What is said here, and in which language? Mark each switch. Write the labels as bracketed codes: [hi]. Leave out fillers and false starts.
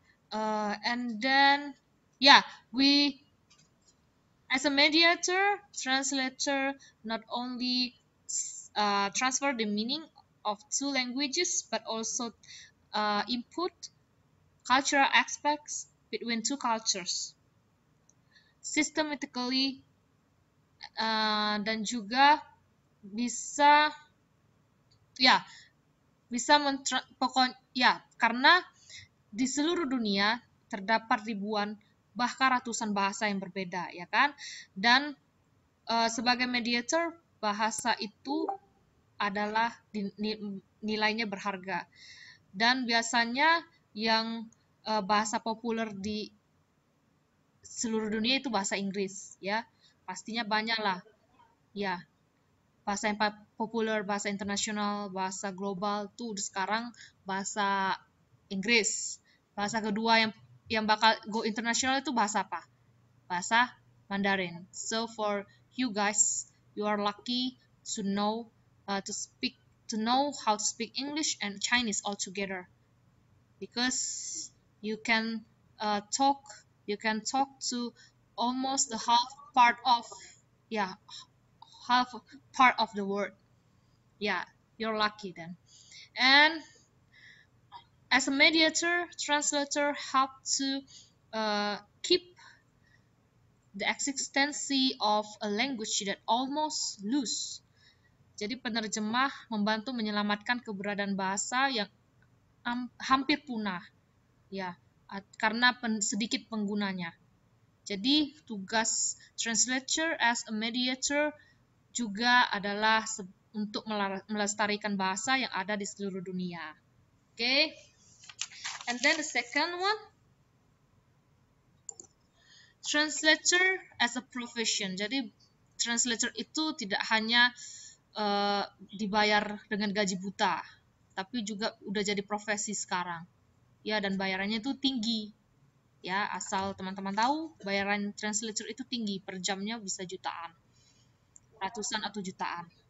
[en] And then, yeah, we as a mediator, translator, not only transfer the meaning of two languages, but also input cultural aspects between two cultures. Systematically, [id] dan juga bisa, ya, bisa mentra pokok, ya, karena di seluruh dunia terdapat ribuan, bahkan ratusan bahasa yang berbeda, ya kan? Dan sebagai mediator, bahasa itu adalah nilainya berharga, dan biasanya yang bahasa populer di seluruh dunia itu bahasa Inggris, ya. Pastinya banyak lah, ya. Bahasa yang populer, bahasa internasional, bahasa global tuh udah sekarang bahasa Inggris. Bahasa kedua yang bakal [en] go [id] internasional itu bahasa apa? Bahasa Mandarin. [en] So for you guys, you are lucky to know how to speak English and Chinese all together, because you can talk. You can talk to almost the half part of the world. Yeah, you're lucky then. And as a mediator, translator help to keep the existence of a language that almost lose. [id] Jadi penerjemah membantu menyelamatkan keberadaan bahasa yang hampir punah. Ya. Karena sedikit penggunanya. Jadi, tugas translator [en] as a mediator [id] juga adalah untuk melestarikan bahasa yang ada di seluruh dunia. Oke. [en] And then the second one, translator as a profession. [id] Jadi, translator itu tidak hanya dibayar dengan gaji buta, tapi juga udah jadi profesi sekarang. Ya, dan bayarannya itu tinggi. Ya, asal teman-teman tahu, bayaran translator itu tinggi, per jamnya bisa jutaan, ratusan atau jutaan.